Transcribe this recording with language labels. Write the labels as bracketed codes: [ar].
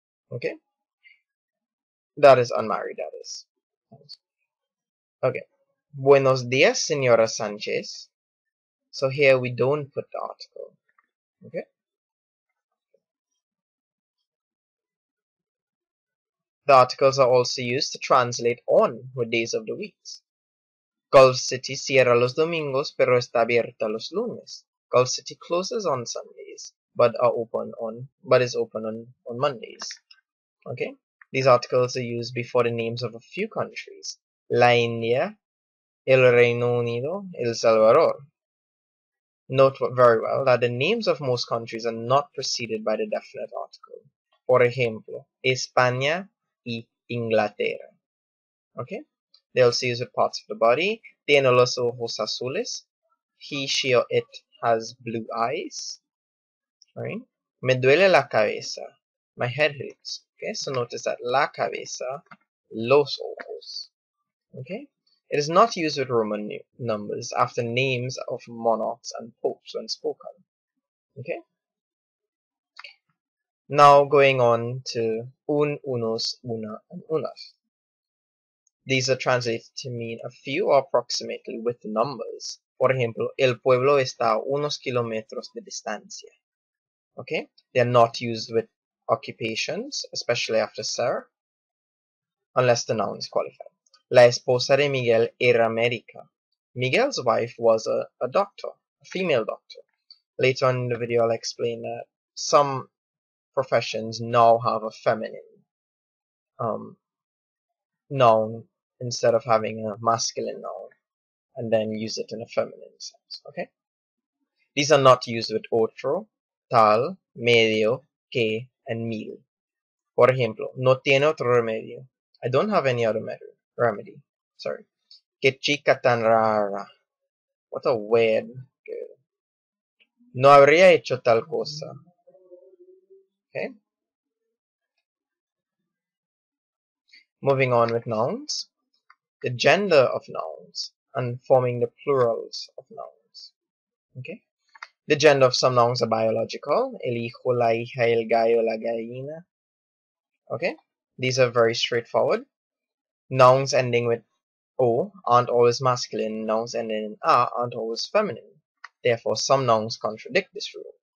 [en] Okay, that is unmarried, that is. Okay. [es] Buenos días, señora Sánchez. [en] So here we don't put the article. Okay. The articles are also used to translate on with days of the week. [es] Gulf City cierra los domingos, pero está abierta los lunes. [en] Gulf City closes on Sundays, but is open on Mondays. Okay. These articles are used before the names of a few countries. La India, el Reino Unido, el Salvador. Note very well that the names of most countries are not preceded by the definite article. [es] Por ejemplo, España y Inglaterra. Okay? [en] They also use with parts of the body. [es] Tiene los ojos azules. [en] He, she, or it has blue eyes. Right? [es] Me duele la cabeza. [en] My head hurts. Okay, so notice that la cabeza, los ojos. Okay? It is not used with Roman numbers after names of monarchs and popes when spoken. Okay? Now going on to un, unos, una, and unas. These are translated to mean a few or approximately with numbers. For example, [es] el pueblo está a unos kilómetros de distancia. [en] Okay? They are not used with occupations, especially after ser, unless the noun is qualified. [es] La esposa de Miguel era médica. [en] Miguel's wife was a doctor, a female doctor. Later on in the video, I'll explain that some professions now have a feminine noun instead of having a masculine noun, and then use it in a feminine sense. Okay? These are not used with otro, tal, medio, que, and mil. [es] Por ejemplo, no tiene otro remedio. [en] I don't have any other remedy. Sorry. [es] Que chica tan rara. [en] What a when. Good. [es] No habría hecho tal cosa. Okay. [en] Moving on with nouns. The gender of nouns and forming the plurals of nouns. Okay. The gender of some nouns are biological. [es] El hijo, la hija, el gallo, la gallina. [en] Okay. These are very straightforward. Nouns ending with O aren't always masculine. Nouns ending in A aren't always feminine. Therefore, some nouns contradict this rule.